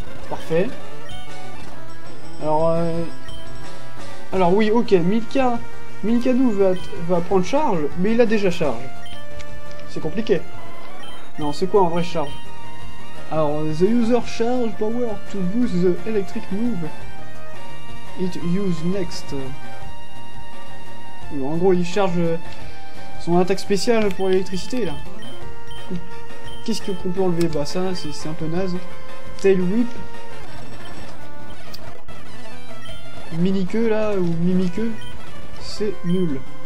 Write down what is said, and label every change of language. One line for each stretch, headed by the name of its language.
French: Parfait. Alors oui, ok, Milka. Milkadou va prendre charge, mais il a déjà charge. C'est compliqué. Non, c'est quoi un vrai charge?
English: Alors, the user charge power to boost the electric move. It use next.
French: Bon, en gros, il charge son attaque spéciale pour l'électricité là. Qu'est-ce qu'on peut enlever? Bah ça, c'est un peu naze. Tail whip. Mini queue là ou mimi queue, c'est nul.